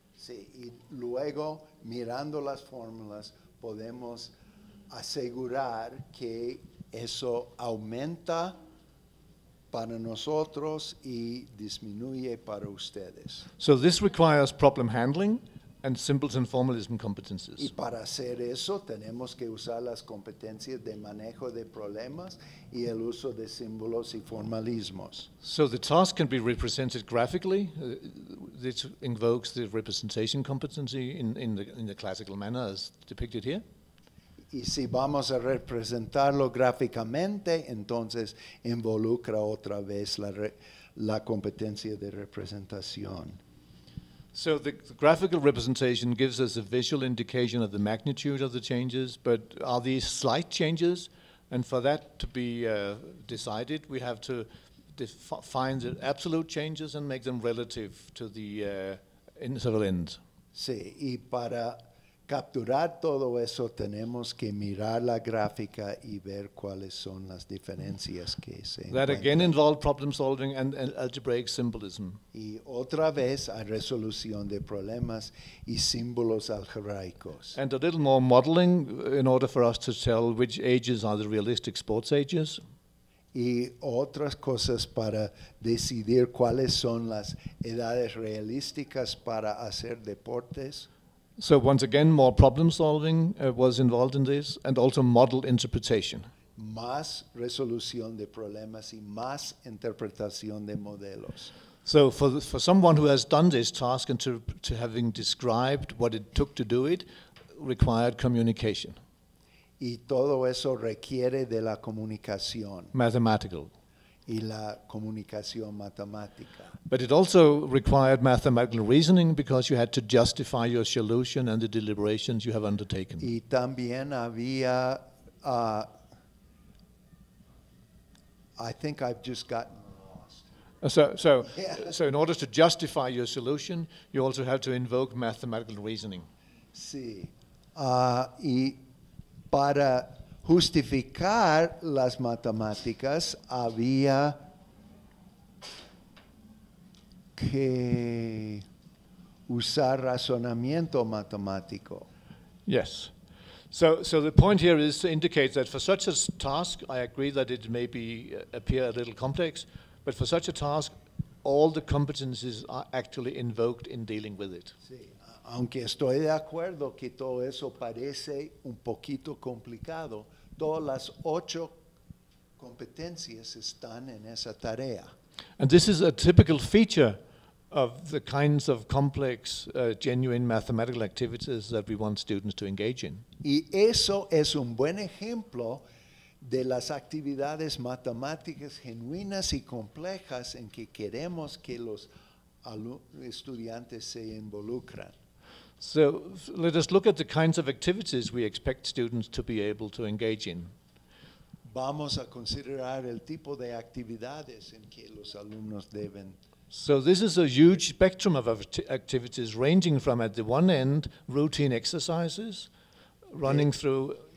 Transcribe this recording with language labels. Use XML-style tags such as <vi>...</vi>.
<es>Sí, y luego mirando las fórmulas podemos asegurar que eso aumenta para nosotros y disminuye para ustedes.</es> <en>So this requires problem handling and simpleton formalism competences.</en> <es>Y para hacer eso tenemos que usar las competencias de manejo de problemas y el uso de símbolos y formalismos.</es> <en>So the task can be represented graphically. This invokes the representation competency in the classical manner as depicted here.</en> <es>Y si vamos a representarlo gráficamente, entonces involucra otra vez la competencia de representación.</es> <en>So the graphical representation gives us a visual indication of the magnitude of the changes, but are these slight changes? And for that to be decided, we have to find the absolute changes and make them relative to the interval ends.</en> <es>Sí, y para capturar todo eso tenemos que mirar la gráfica y ver cuáles son las diferencias que se encuentran.</es> <en>That again involved problem solving and algebraic symbolism.</en> <es>Y otra vez a resolución de problemas y símbolos algebraicos.</es> <en>And a little more modeling in order for us to tell which ages are the realistic sports ages.</en> <es>Y otras cosas para decidir cuáles son las edades realísticas para hacer deportes.</es> <en>So once again, more problem solving was involved in this, and also model interpretation.</en> <es>Más resolución de problemas y más interpretación de modelos.</es> <en>So for someone who has done this task and to having described what it took to do it, required communication.</en> <es>Y todo eso requiere de la comunicación.</es> <en>Mathematical.</en> <es>Y la comunicación matemática.</es> <en>But it also required mathematical reasoning because you had to justify your solution and the deliberations you have undertaken.</en> <es>Y también había,</es> <en>I think I've just gotten lost. So in order to justify your solution, you also have to invoke mathematical reasoning.</en> <es>Sí. Y para justificar las matemáticas había que usar razonamiento matemático.</es> <en>Yes. So the point here is to indicate that for such a task, I agree that it may be appear a little complex, but for such a task, all the competencies are actually invoked in dealing with it.</en> <es>Sí. Aunque estoy de acuerdo que todo eso parece un poquito complicado, todas las ocho competencias están en esa tarea.</es> <en>And this is a typical feature of the kinds of complex, genuine mathematical activities that we want students to engage in.</en> <es>Y eso es un buen ejemplo de las actividades matemáticas genuinas y complejas en que queremos que los estudiantes se involucren.</es> <en>So let us look at the kinds of activities we expect students to be able to engage in.</en> <es>Vamos a considerar el tipo de actividades en que los alumnos deben.</es> <en>So this is a huge spectrum of activities ranging from, at the one end, routine exercises, running through.</en>